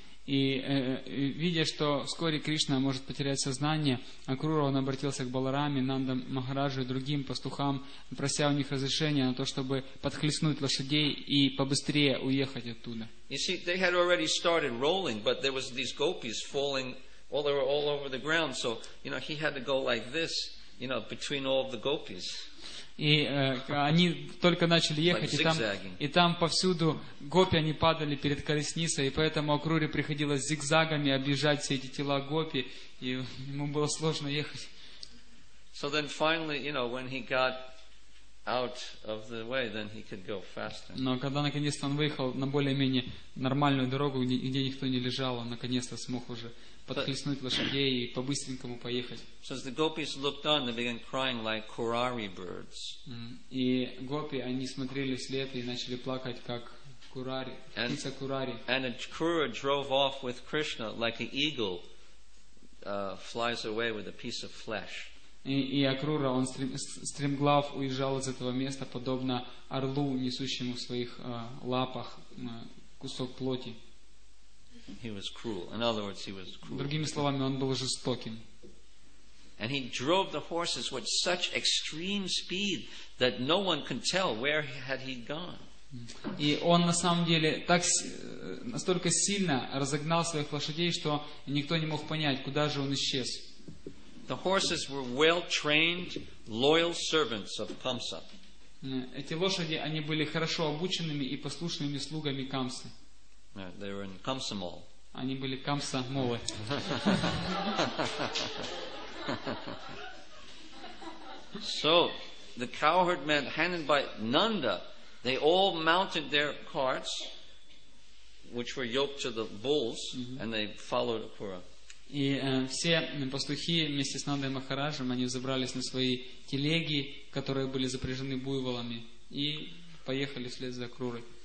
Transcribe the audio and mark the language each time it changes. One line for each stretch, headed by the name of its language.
Russian: И видя, что вскоре Кришна может потерять сознание, Акрура, он обратился к Балараме, Нанда Махараджу и другим пастухам, прося у них разрешения на то, чтобы подхлестнуть лошадей и побыстрее уехать оттуда.
English: You see, they had already started rolling, but there was these gopis falling all over the ground, so, you know, he had to go like this, you know, between all of the gopis.
Russian: И они только начали ехать, like и там повсюду гопи, они падали перед колесницей, и поэтому Акруре приходилось зигзагами объезжать все эти тела гопи, и ему было сложно ехать.
English: So then finally, you know, when he got out of the way, then he could go faster.
Russian: Но когда наконец-то он выехал на более-менее нормальную дорогу, где никто не лежал, он наконец-то смог уже подхлестнуть лошадей и по-быстренькому поехать.
English: So as the gopis looked on, they began crying like kurari birds.
Russian: И гопи, они смотрели вслед и начали плакать, как курари, птица курари.
English: And Akrura drove off with Krishna like an eagle flies away with a piece of flesh.
Russian: И Акрура, он стремглав уезжал из этого места, подобно орлу, несущему в своих лапах кусок плоти.
English: He was cruel. In other words, he was cruel.
Russian: Другими словами, он был жестоким.
English: And he drove the horses with such extreme speed that no one could tell where had he gone.
Russian: И он на самом деле так настолько сильно разогнал своих лошадей, что никто не мог понять, куда же он исчез.
English: The horses were well-trained, loyal servants of Kamsa.
Russian: Эти лошади, они были хорошо обученными и послушными слугами Камсы.
English: They were in Komsomol.
Russian: Они были комсомолы.
English: So the cowherd men, handed by Nanda, they all mounted their carts, which were yoked to the bulls, and they followed Акура.
Russian: И все пастухи вместе с Нандой Махараджем, они забрались на свои телеги, которые были запряжены буйволами, и поехали вслед за Акурой.